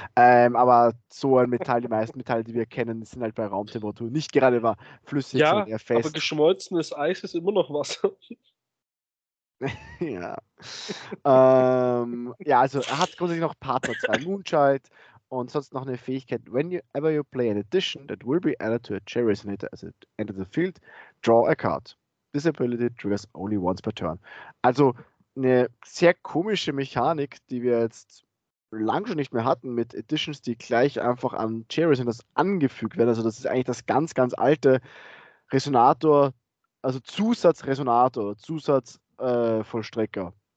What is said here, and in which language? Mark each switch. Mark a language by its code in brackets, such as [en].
[de] Aber so ein Metall, die meisten Metalle, die wir kennen, sind halt bei Raumtemperatur nicht gerade mal flüssig, ja, sondern eher fest. Ja, aber geschmolzenes Eis ist immer noch Wasser. Ja. ja, also er hat grundsätzlich noch Partner 2 Moonchild und sonst noch eine Fähigkeit. [en] Whenever you play an addition that will be added to a cherry resonator as it enters the field, draw a card. This ability triggers only once per turn. [de] Also eine sehr komische Mechanik, die wir jetzt lang schon nicht mehr hatten mit Additions, die gleich einfach an cherry resonators angefügt werden. Also das ist eigentlich das ganz, ganz alte Resonator, also Zusatzresonator, Zusatz Vollstrecker.